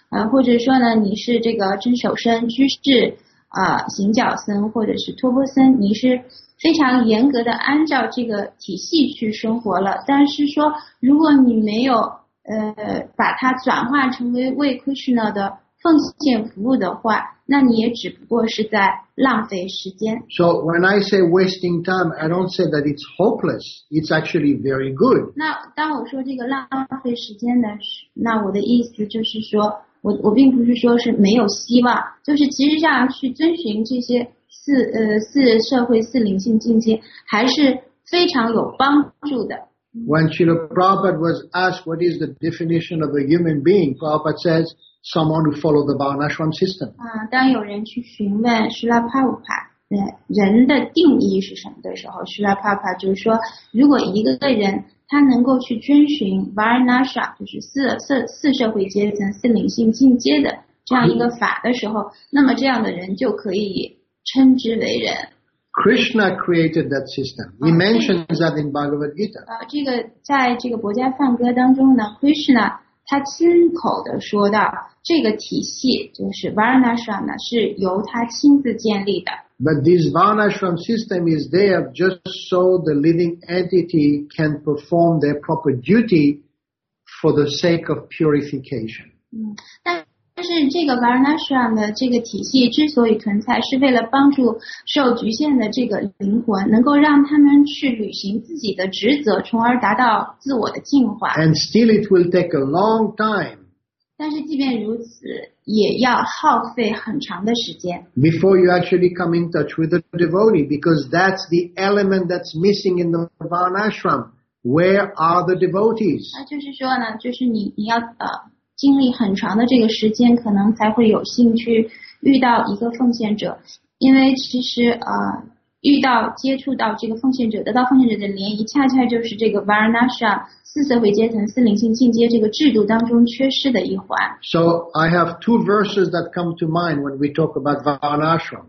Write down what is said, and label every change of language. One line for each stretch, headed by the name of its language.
Chinese: 或者说呢你是这个真守身居士、行脚僧或者是托钵僧，你是非常严格的按照这个体系去生活了，但是说如果你没有把它转化成为为 Krishna 的奉献服务的话，那你也只不过是在浪费时间。
English: So when I say wasting time, I don't say that it's hopeless. It's actually very good.
Chinese: 那当我说这个浪费时间呢，那我的意思就是说，我并不是说是没有希望，就是其实这样去遵循这些四社会四灵性境界还是非常有帮助的。
English: When Srila Prabhupada was asked what is the definition of a human being, Prabhupada says,someone who follow the Varnashram system.
Chinese: 当有人去询问希拉帕乌帕人的定义是什么的时候，希拉帕乌帕就是说，如果一个人他能够去遵循 Varnashram, 就是四社会阶层四灵性进阶的这样一个法的时候，那么这样的人就可以称之为人。
English: Krishna created that system. He mentions that in Bhagavad Gita.
Chinese: 这个在这个《薄伽梵歌》当中呢 ，Krishna他亲口的说到，这个体系就是 Varnashram 呢，是由他亲自建立的。
English: But this Varnashram system is there just so the living entity can perform their proper duty for the sake of purification.
Chinese: 但是这个 Varnashram 的这个体系之所以存在，是为了帮助受局限的这个灵魂，能够让他们去履行自己的职责，从而达到自我的净化。
English: And still it will take a long time.
Chinese: 但是即便如此，也要耗费很长的时间。
English: Before you actually come in touch with the devotee, because that's the element that's missing in the Varnashram. Where are the devotees?
Chinese: 就是说呢，就是你要经历很长的这个时间，可能才会有幸去遇到一个奉献者。因为其实遇到接触到这个奉献者，得到奉献者的联谊，恰恰就是这个 Varnasha 四色回阶层四灵性进阶这个制度当中缺失的一环。
English: So I have two verses that come to mind when we talk about Varnasha.